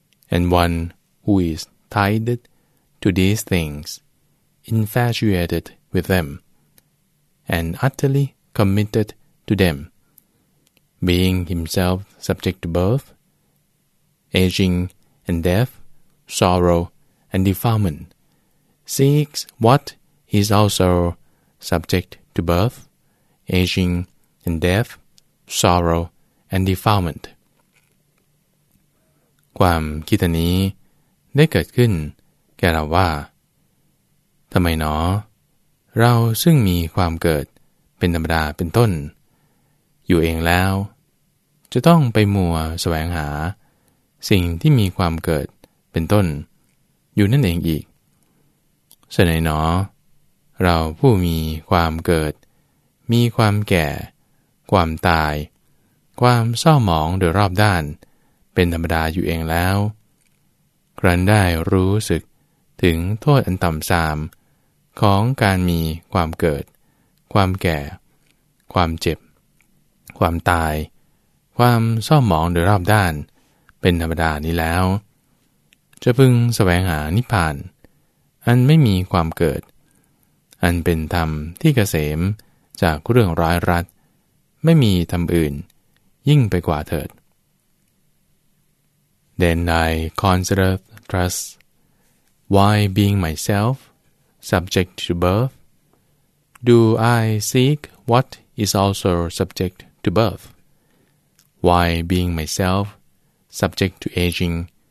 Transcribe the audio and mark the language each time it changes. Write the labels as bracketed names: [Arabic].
[English] And one who is tied to these things, infatuated with them, and utterly committed to them, being himself subject to birth, aging and death, sorrow and defilement, seeks what is also subject to birth, aging and death, sorrow and defilement. [Thai] ความคิดนี้ได้เกิดขึ้นแก่เราว่าทำไมหนอเราซึ่งมีความเกิดเป็นธรรมดาเป็นต้นอยู่เองแล้วจะต้องไปมัวแสวงหาสิ่งที่มีความเกิดเป็นต้นอยู่นั่นเองอีก ฉะไหนหนอเราผู้มีความเกิดมีความแก่ความตายความเศร้าหมองโดยรอบด้านเป็นธรรมดาอยู่เองแล้ว ครั้นได้รู้สึกถึงโทษอันต่ำทรามของการมีความเกิดความแก่ความเจ็บความตายความเศร้าหมองโดยรอบด้านเป็นธรรมดานี้แล้วจะพึงแสวงหานิพพานอันไม่มีความเกิดอันเป็นธรรมที่เกษมจากเรื่องร้ายรัดไม่มีธรรมอื่นยิ่งไปกว่าเถิด [English] Then I considered thus, why being myself subject to birth, do I seek what is also subject to birth? Why being myself subject to aging?